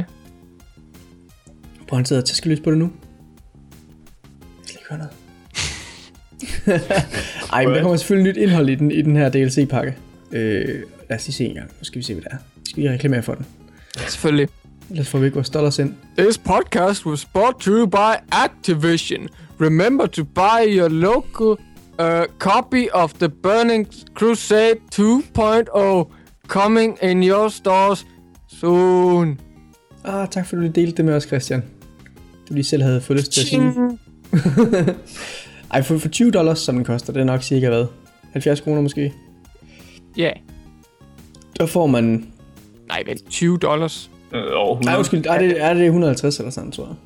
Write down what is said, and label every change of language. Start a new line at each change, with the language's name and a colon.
Danish: Yeah. Prøv at sidde og tæske lys på det nu. Jeg skal ikke høre noget. Ej, men der kommer selvfølgelig nyt indhold i den her DLC-pakke. Lad os lige se en gang. Nu skal vi se, hvad det er. Skal vi reklamere for den? Selvfølgelig. Ellers får vi ikke vores dollars ind.
English: This podcast was brought to you by Activision. Remember to buy your local copy of The Burning Crusade 2.0 coming in your stores soon.
Danish: Ah, tak fordi du delte det med os, Christian. Du lige selv havde fået lyst til at sige. Ej, for $20, som den koster, det er nok cirka hvad? 70 kroner måske? Ja. Der får man... Nej, vel, $20? Nej, undskyld, er det 150 eller sådan, tror jeg.